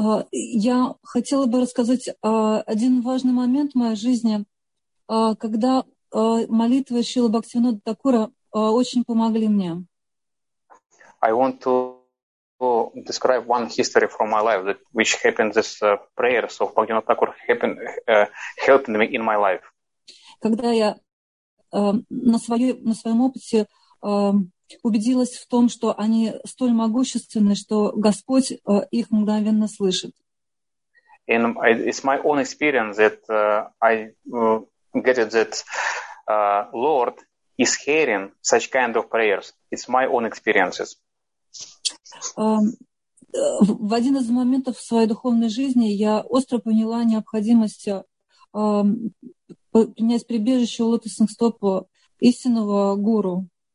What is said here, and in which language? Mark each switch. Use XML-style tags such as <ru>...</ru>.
<ru>Я хотела бы рассказать один важный момент в моей жизни, когда молитвы Шрилы Бхактивинода Такура очень помогли мне.</ru> <en>I want to describe one history from my life that which happened this prayers of Bhaktivinoda Thakura helped me in my life.</en> <ru>Когда я на своем опыте убедилась в том, что они столь могущественны, что Господь их мгновенно слышит.</ru> <en>And it's my own experience that I get it that Lord is hearing such kind of prayers. It's my own experiences.</en> <ru>В один из моментов своей духовной жизни я остро поняла необходимость принять прибежище у Лотоса Сингстопа, истинного гуру.</ru>